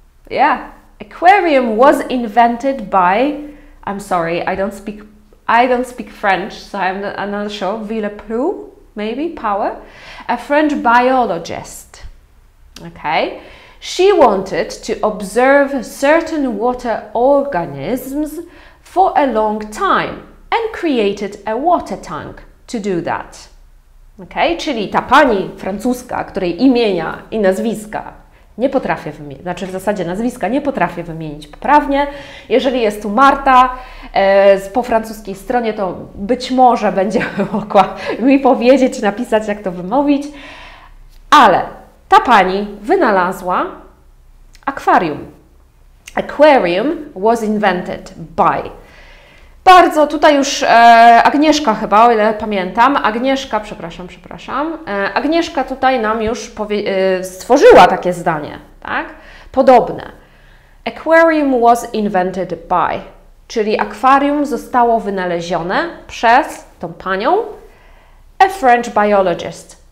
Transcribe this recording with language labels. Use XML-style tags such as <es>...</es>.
<en>Yeah, aquarium was invented by, I don't speak French, so I'm not sure, Villeperdue, maybe, power, a French biologist. Okay, she wanted to observe certain water organisms for a long time and created a water tank to do that.</en> <pl>Okay, czyli ta pani francuska, której imienia i nazwiska nie potrafię wymienić, znaczy w zasadzie nazwiska nie potrafię wymienić poprawnie. Jeżeli jest tu Marta po francuskiej stronie, to być może będzie mogła mi powiedzieć, napisać, jak to wymówić. Ale ta pani wynalazła akwarium.</pl> <en>Aquarium was invented by...</en> <pl>Bardzo, tutaj już Agnieszka chyba, o ile pamiętam. Agnieszka, przepraszam. Agnieszka tutaj nam już stworzyła takie zdanie, tak? Podobne.</pl> <en>Aquarium was invented by.</en> <pl>Czyli akwarium zostało wynalezione przez tą panią,</pl> <en>a French biologist.</en>